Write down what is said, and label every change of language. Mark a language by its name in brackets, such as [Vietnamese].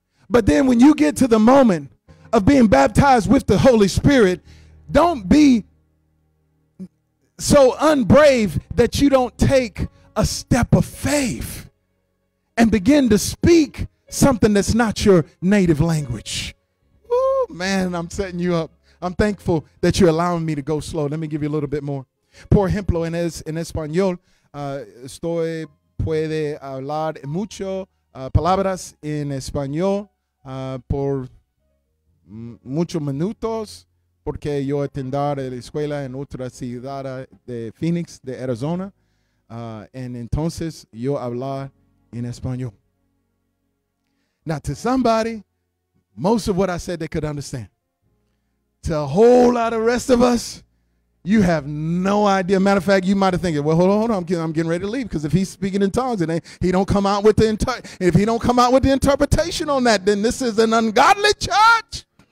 [English] But then when you get to the moment of being baptized with the Holy Spirit, don't be so unbrave that you don't take a step of faith and begin to speak something that's not your native language. Oh, man, I'm setting you up. I'm thankful that you're allowing me to go slow. Let me give you a little bit more. [Spanish] Por ejemplo, en español, estoy puede hablar mucho palabras en español por muchos minutos porque yo atendar la escuela en otra ciudad de Phoenix, de Arizona. And entonces yo hablar en español. [English] Now, to somebody, most of what I said they could understand. To a whole lot of rest of us, you have no idea. Matter of fact, you might have thinking, well, hold on, I'm getting ready to leave because if he's speaking in tongues and he don't come out with the interpretation on that, then this is an ungodly church.